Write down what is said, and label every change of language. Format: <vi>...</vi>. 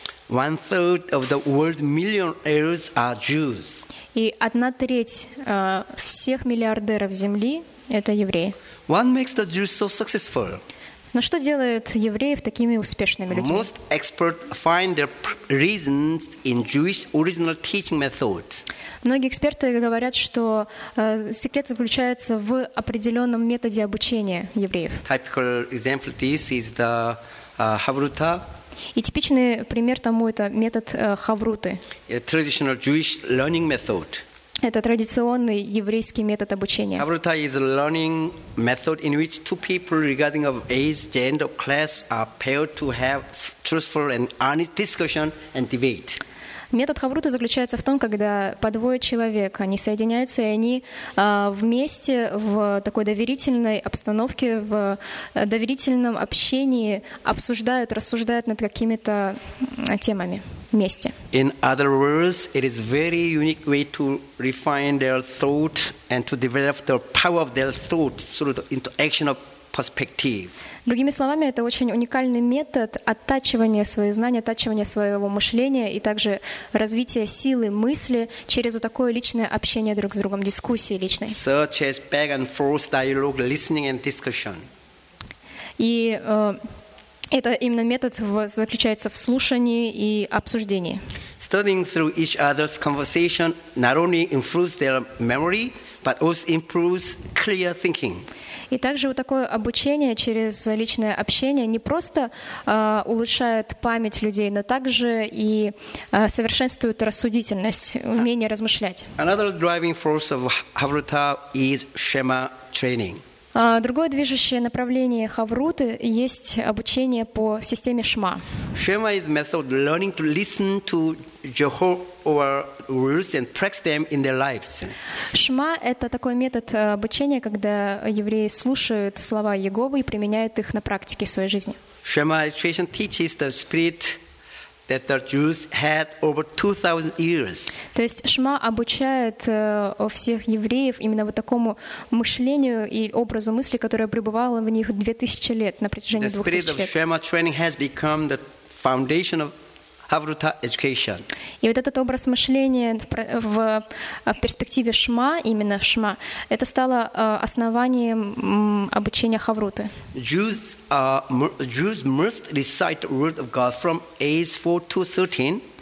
<en>One third of the world millionaires are Jews.</en> <ru>И 1/3 всех миллиардеров Земли – это евреи.</ru> <en>What makes the Jews so successful?</en> <ru>Но что делает евреев такими успешными людьми?</ru> <en>Most experts find their reasons in Jewish original teaching methods.</en> <ru>Многие эксперты говорят, что секрет заключается в определенном методе обучения евреев.</ru> <en>Typical example this is the Havruta.</en> <ru>И типичный пример тому – это метод Хавруты.</ru> <en>Traditional Jewish learning method.</en> <ru>Это традиционный еврейский метод обучения.</ru> <en>Хаврута is a learning method in which two people regarding of age, gender, class are paired to have truthful and honest discussion and debate.</en> <ru>Метод Хавруты заключается в том, когда по двое человек, они соединяются, и они вместе в такой доверительной обстановке, в доверительном общении обсуждают, рассуждают над какими-то темами вместе.</ru> <en>In other words, it is very unique way to refine their thought and to develop the power of their thought through the interaction of perspective.</en> <ru>Другими словами, это очень уникальный метод оттачивания своих знаний, оттачивания своего мышления и также развития силы мысли через вот такое личное общение друг с другом, дискуссии личной.</ru> <en>Such as back and forth dialogue, listening and discussion.</en> <ru>И это именно метод заключается в слушании и обсуждении.</ru> <en>Studying through each other's conversation not only improves their memory, but also improves clear thinking.</en> <ru>И также вот такое обучение через личное общение не просто улучшает память людей, но также и совершенствует рассудительность, умение размышлять.</ru> <en>Another driving force of Havruta is Shema training.</en> <ru>Другое движущее направление Хавруты есть обучение по системе Шма.</ru> <en>Шема is method learning to listen to Jehovah's rules and practice them in their lives.</en> <ru>Шма это такой метод обучения, когда евреи слушают слова Иеговы и применяют их на практике в своей жизни.</ru> <en>Шема education teaches the spirit that the Jews had over 2,000 years.</en> <ru>То есть Шма обучает всех евреев именно вот такому мышлению и образу мысли, которое пребывало в них 2000 лет, на протяжении 2000 лет.</ru> <en>The spirit of Shema training has become the foundation of Havruta education.</en> <ru>И вот этот образ мышления в перспективе Шма, именно в Шма, это стало основанием обучения Хавруты.</ru> <en>Jews must recite the word of God from age 4 to 13.</en>